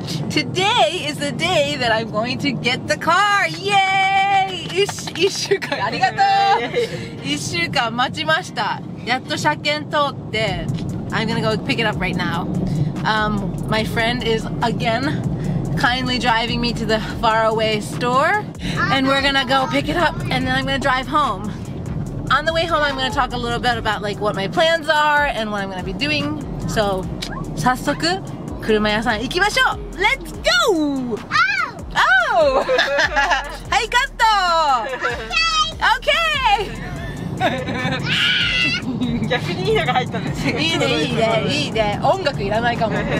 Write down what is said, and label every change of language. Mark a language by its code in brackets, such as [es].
[en] Today is the day that I'm going to get the car! Yay! [ja] 一週間、ありがとう一週間待ちました。やっと車検通って、 [en] I'm gonna go pick it up right now. My friend is again kindly driving me to the faraway store. And we're gonna go pick it up and then I'm gonna drive home. On the way home, I'm going to talk a little bit about like what my plans are and what I'm going to be doing. [ja] So, 早速車屋さん行きましょう。 [en] Let's go! Ow! [ja] Ow! はい、カット [en] Okay! [ja] 逆にいいのが入ったんですよ。いいね。音楽いらないかも。